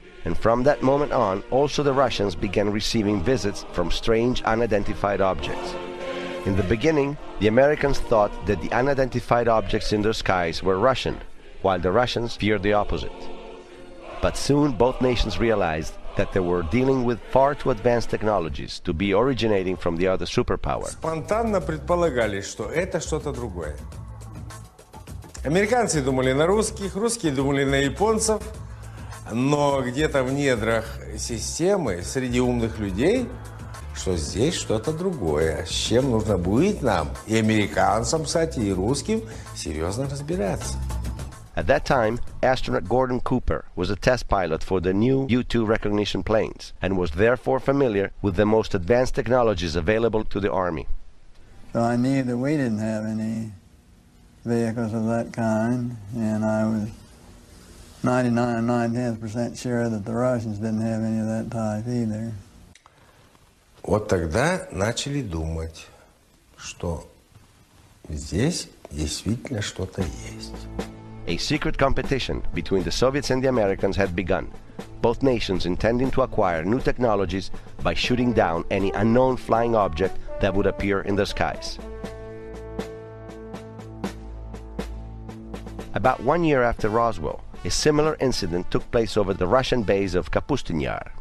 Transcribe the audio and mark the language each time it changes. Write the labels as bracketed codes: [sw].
[en] And from that moment on, also the Russians began receiving visits from strange unidentified objects. In the beginning, the Americans thought that the unidentified objects in their skies were Russian, while the Russians feared the opposite. But soon both nations realized that they were dealing with far too advanced technologies to be originating from the other superpower. [ru] Спонтанно предполагали, что это что-то другое. Американцы думали на русских, русские думали на японцев, но где-то в недрах системы, среди умных людей, что здесь что-то другое, с чем нужно будет нам, и американцам, кстати, и русским, серьезно разбираться. [en] At that time, astronaut Gordon Cooper was a test pilot for the new U-2 recognition planes and was therefore familiar with the most advanced technologies available to the Army. So I knew that we didn't have any vehicles of that kind, and I was 99.9% sure that the Russians didn't have any of that type either. [ru] Вот тогда начали думать, что здесь действительно что-то есть. [en] A secret competition between the Soviets and the Americans had begun, both nations intending to acquire new technologies by shooting down any unknown flying object that would appear in the skies. About 1 year after Roswell, a similar incident took place over the Russian base of Kapustin Yar.